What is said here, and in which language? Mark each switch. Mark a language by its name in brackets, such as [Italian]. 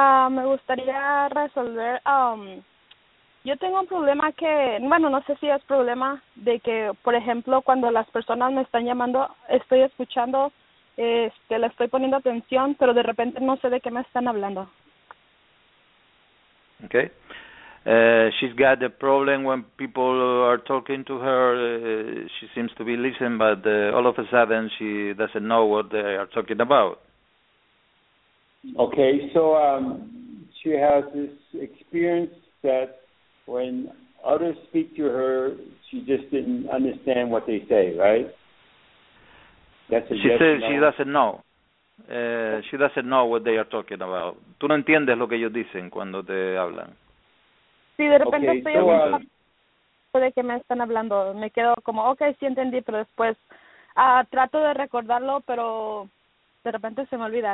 [Spanish] Me gustaría resolver... yo tengo un problema que, bueno, no sé si es problema de que, por ejemplo, cuando las personas me están llamando, estoy escuchando, le estoy poniendo atención, pero de repente no sé de qué me están hablando. [English] Okay. She's got a problem when people are talking to her. She seems to be listening, but all of a sudden she doesn't know what they are talking about. Okay, so she has this experience that when others speak to her, she just didn't understand what they say, right? She doesn't know. She doesn't know what they are talking about. [Spanish] Tú no entiendes lo que ellos dicen cuando te hablan. Sí, de repente estoy hablando de que me están hablando. Me quedo como, okay, sí entendí, pero después trato de recordarlo, pero de repente se me olvida.